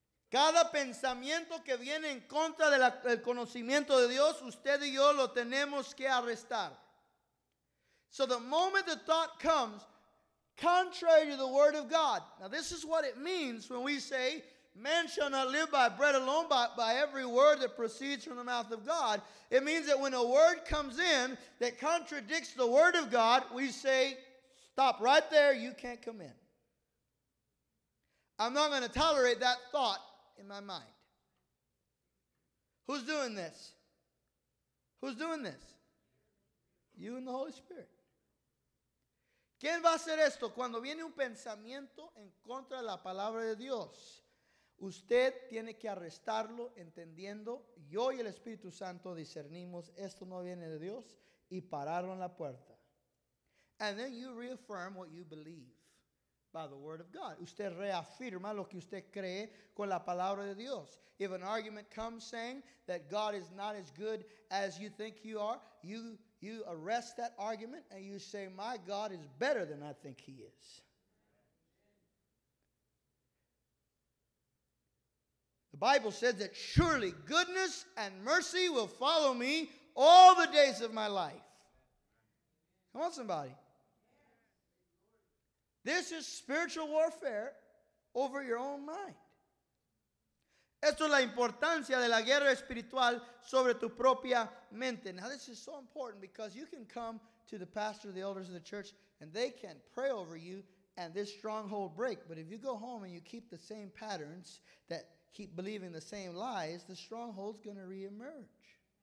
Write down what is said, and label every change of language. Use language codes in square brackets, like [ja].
[es] Cada pensamiento que viene en contra del conocimiento de Dios, usted y yo lo tenemos que arrestar. [en] So the moment the thought comes, contrary to the word of God. Now this is what it means when we say, man shall not live by bread alone, but by every word that proceeds from the mouth of God. It means that when a word comes in that contradicts the word of God, we say, stop right there, you can't come in. I'm not going to tolerate that thought in my mind. Who's doing this? Who's doing this? You and the Holy Spirit. [es] ¿Quién va a hacer esto? Cuando viene un pensamiento en contra de la palabra de Dios, usted tiene que arrestarlo entendiendo, yo y el Espíritu Santo discernimos, esto no viene de Dios, y pararlo en la puerta. [en] And then you reaffirm what you believe by the word of God. [es] Usted reafirma lo que usted cree con la palabra de Dios. [en] If an argument comes saying that God is not as good as you think you are, you arrest that argument and you say, my God is better than I think he is. The Bible says that surely goodness and mercy will follow me all the days of my life. Come on, somebody. This is spiritual warfare over your own mind. [es] Esto es la importancia de la guerra espiritual sobre tu propia mente. [en] Now this is so important because you can come to the pastor, the elders of the church, and they can pray over you and this stronghold break. But if you go home and you keep the same patterns that keep believing the same lies, the stronghold's going to reemerge.